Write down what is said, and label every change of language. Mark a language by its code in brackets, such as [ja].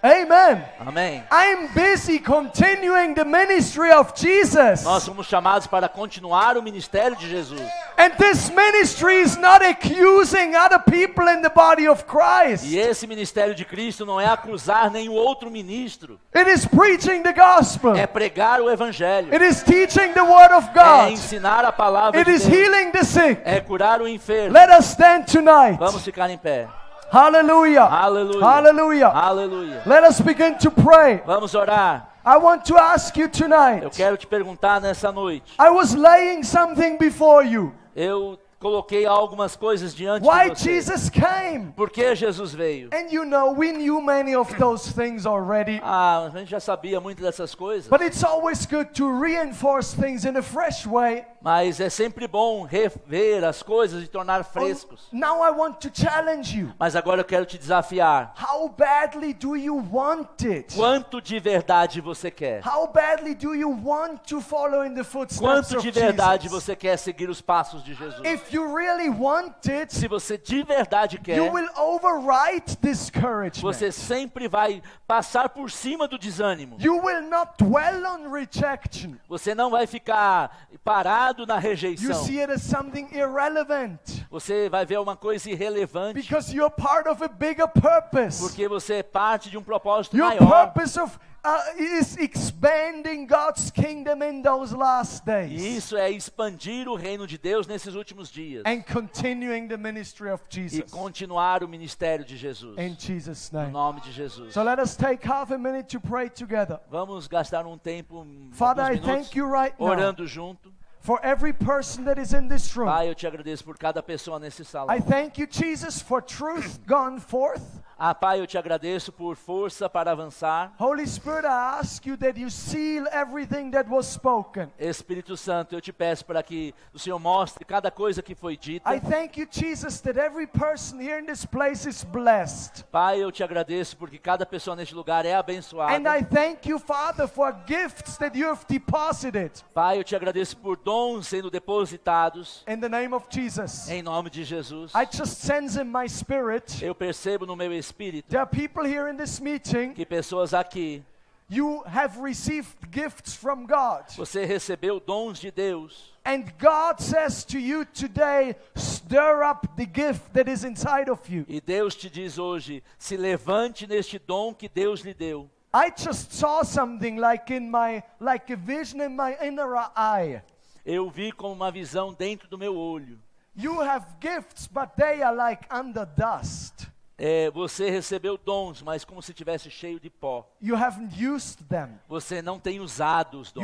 [en] Amen. [pt] Amém. [en] I'm busy continuing the ministry of Jesus. [pt] Nós somos chamados para continuar o ministério de Jesus. [en] And this ministry is not accusing other people in the body of Christ. [pt] E esse ministério de Cristo não é acusar nenhum outro ministro. [en] It is preaching the gospel. [pt] É pregar o evangelho. [en] It is teaching the word of God. [pt] É ensinar a palavra. [en] It [pt] de [en] is [pt] Deus. [en] Healing the sick. [pt] É curar o enfermo. [en] Let us stand tonight. [pt] Vamos ficar em pé. [en] Hallelujah. Hallelujah. Hallelujah. Hallelujah. Let us begin to pray. [pt] Vamos orar. [en] I want to ask you tonight. [pt] Eu quero te perguntar nessa noite. [en] I was laying something before you. [pt] Eu coloquei algumas coisas diante [en] Why [pt] de você. [en] Jesus came? [pt] Por que Jesus veio? [en] And you know, we knew many of those things already. [pt] Ah, a gente já sabia muito dessas coisas. [en] But it's always good to reinforce things in a fresh way. [pt] Mas é sempre bom rever as coisas e tornar frescos. [en] Now I want to challenge you. [pt] Mas agora eu quero te desafiar. [en] How badly do you want it? [pt] Quanto de verdade você quer? [en] How badly do you want to follow in the footsteps [pt] Quanto de verdade [en] of Jesus? [pt] Você quer seguir os passos de Jesus? [en] If you really want it, [pt] se você de verdade quer, [en] you will override discouragement. [pt] Você sempre vai passar por cima do desânimo. [en] You will not dwell on rejection. [pt] Você não vai ficar parado na rejeição. [en] You see it as something irrelevant. [pt] Você vai ver uma coisa irrelevante. [en] Because you're part of a bigger purpose. [pt] Porque você é parte de um propósito [en] Your [pt] maior. [en] Your purpose of is expanding God's kingdom in those last days. [pt] Isso é expandir o reino de Deus nesses últimos dias. [en] And continuing the ministry of Jesus. [pt] E continuar o ministério de Jesus. [en] In Jesus' name. [pt] No nome de Jesus. [en] So let us take half a minute to pray together. [pt] Vamos gastar um tempo, [en] Father, [pt] minutos, [en] I thank you right now. [pt] Orando junto. [en] For every person that is in this room. [pt] Pai, eu te agradeço por cada pessoa nesse salão. [en] I thank you, Jesus, for truth gone forth. [pt] Ah, Pai, eu te agradeço por força para avançar. [en] Holy Spirit, I ask you that you seal everything that was spoken. [pt] Espírito Santo, eu te peço para que o Senhor mostre cada coisa que foi dita. [en] I thank you, Jesus, that every person here in this place is blessed. [pt] Pai, eu te agradeço porque cada pessoa neste lugar é abençoada. [en] And I thank you, Father, for gifts that you have deposited. [pt] Pai, eu te agradeço por dons sendo depositados. [en] In the name of Jesus. [pt] Em nome de Jesus. [en] I just sense in my spirit. [pt] Eu percebo no meu Espírito. [en] There are people here in this meeting. [pt] Que pessoas aqui. [en] You have received gifts from God. [pt] Você recebeu dons de Deus. [en] And God says to you today, stir up the gift that is inside of you. [pt] E Deus te diz hoje, se levante neste dom que Deus lhe deu. [en] I just saw something like a vision in my inner eye. [pt] Eu vi como uma visão dentro do meu olho. [en] You have gifts, but they are like under dust. [pt] É, você recebeu dons, mas como se tivesse cheio de pó. [en] You haven't used them. [pt] Você não tem usado os dons.